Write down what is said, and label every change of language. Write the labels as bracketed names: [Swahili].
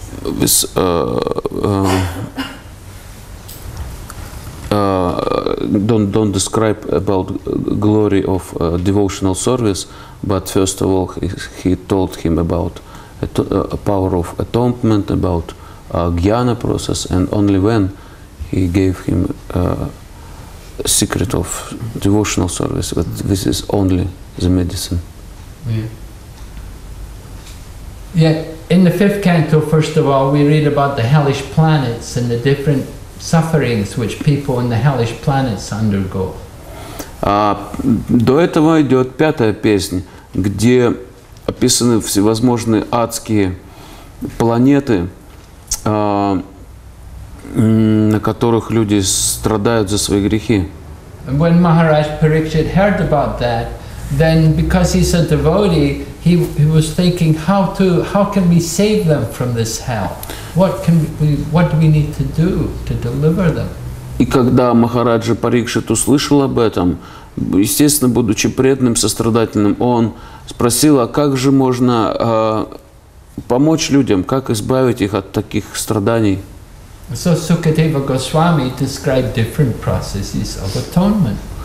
[English] don't describe about glory of devotional service, but first of all he told him about power of atonement, about jnana process, and only when he gave him secret of devotional service, but this is only the medicine. Yeah. Yet in the fifth canto, first of all, we read about the hellish planets and the different sufferings which people in the hellish planets undergo. [Russian] До этого идет пятая песня, где описаны всевозможные адские планеты, на которых люди страдают за свои грехи. [English] And when Maharaj Parikshit heard about that, then because he's a devotee, he was thinking, how can we save them from this hell? What do we need to do to deliver them? [Russian] И когда Махарадж Парикшит услышал об этом, естественно, будучи преданным, сострадательным, он спросил, а как же можно помочь людям, как избавить их от таких страданий? [English] So Sukadeva Goswami described different processes of atonement.